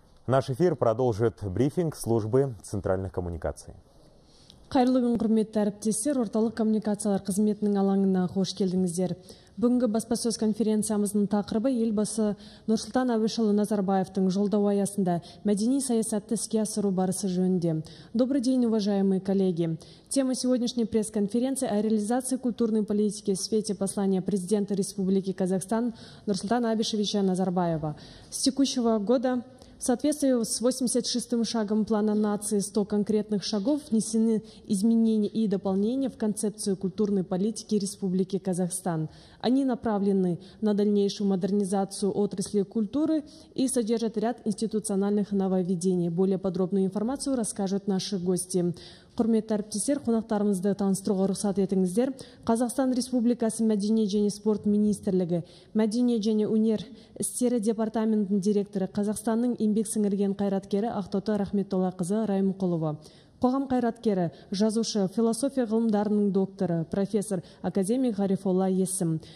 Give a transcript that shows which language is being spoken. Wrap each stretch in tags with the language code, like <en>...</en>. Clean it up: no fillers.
<ru>Наш эфир продолжит брифинг службы центральных коммуникаций.</ru> <kk>Қайырлы күн, құрметті әріптестер, орталық коммуникациялар қызметінің алаңына қош келдіңіздер. Бүгінгі баспасөз конференциямыздың тақырыбы елбасы Нұрсұлтан Әбішұлы Назарбаевтың жолдауы аясында мәдени саясатты іске асыру барысы жөнінде.</kk> <ru>Добрый день, уважаемые коллеги! Тема сегодняшней пресс-конференции о реализации культурной политики в свете послания президента Республики Казахстан Нұрсұлтана Әбішевича Назарбаева. С текущего года в соответствии с 86-м шагом плана нации 100 конкретных шагов внесены изменения и дополнения в концепцию культурной политики Республики Казахстан. Они направлены на дальнейшую модернизацию отрасли культуры и содержат ряд институциональных нововведений. Более подробную информацию расскажут наши гости.</ru> <kk>Құрметті әріптестер, қонақтарымызды таныстыруға рұқсат етіңіздер. Қазақстан Республикасы мәдениет және спорт министрлігі, мәдениет және өнер істері департаментінің директоры, Қазақстанның еңбек сіңірген қайраткері Ақтоты Рахметтоллақызы Райымқұлова. Қоғам қайраткері, жазушы, философия ғылымдарының докторы, профессор, академик Ғарифолла Есім.</kk>